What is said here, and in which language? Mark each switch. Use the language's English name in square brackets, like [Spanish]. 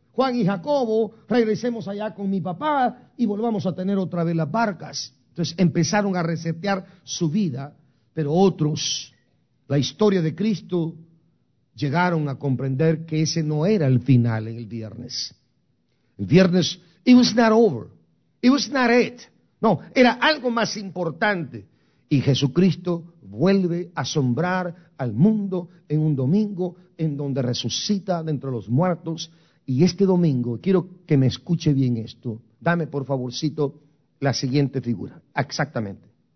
[Spanish] Juan y Jacobo, regresemos allá con mi papá y volvamos a tener otra vez las barcas. Entonces empezaron a resetear su vida, pero otros, la historia de Cristo, llegaron a comprender que ese no era el final en el viernes. El viernes, [English] it was not over, it was not it. [Spanish] No, era algo más importante. Y Jesucristo vuelve a asombrar al mundo en un domingo en donde resucita de entre los muertos. Y este domingo, quiero que me escuche bien esto, dame por favorcito la siguiente figura, exactamente.